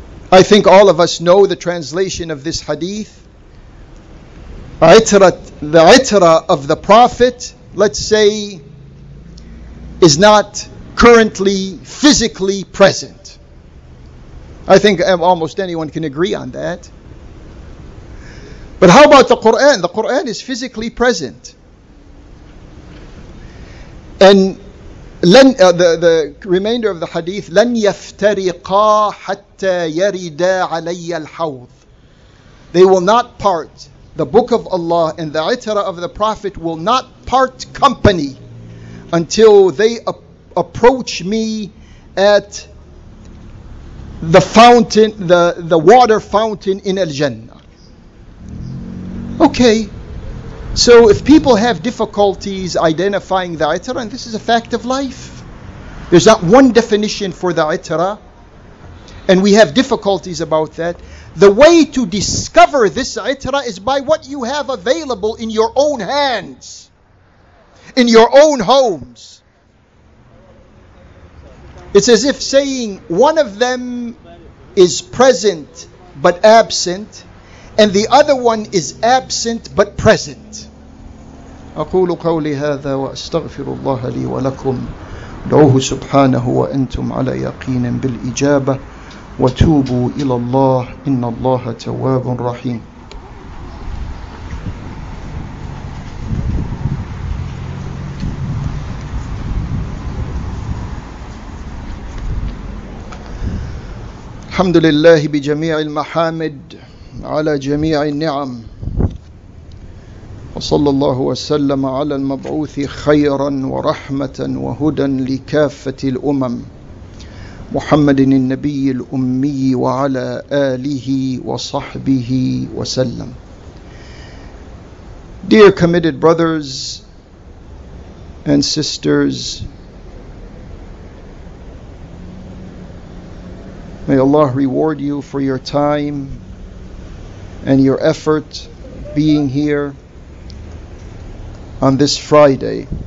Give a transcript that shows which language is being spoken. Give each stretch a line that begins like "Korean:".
English: I think all of us know the translation of this hadith. عِتْرَة, the عِتْرَة of the Prophet, let's say, is not currently physically present. I think almost anyone can agree on that. But how about the Quran? The Quran is physically present. And
Arabic: لن,
English: the remainder of the hadith,
Arabic: لن يفترقا حتى يردا علي الحوض.
English: They will not part. The Book of Allah and the Itara of the Prophet will not part company until they approach me at the fountain, the water fountain in Al-Jannah. Okay. So if people have difficulties identifying the Itara, and this is a fact of life, there's not one definition for the Itara, and we have difficulties about that. The way to discover this Itara is by what you have available in your own hands, in your own homes. It's as if saying one of them is present but absent, and the other one is absent but present.
Arabic: أقول قولي هذا وأستغفر الله لي ولكم دعوه سبحانه وأنتم على يقين بالإجابة وتوبوا إلى الله إن الله تواب رحيم. الحمد لله بجميع المحامد على جميع النعم وصلى الله وسلم على المبعوث خيرا ورحمة وهدى لكافة الأمم محمد النبي الأمي وعلى آله وصحبه وسلم.
English: Dear committed brothers and sisters, may Allah reward you for your time and your effort being here on this Friday.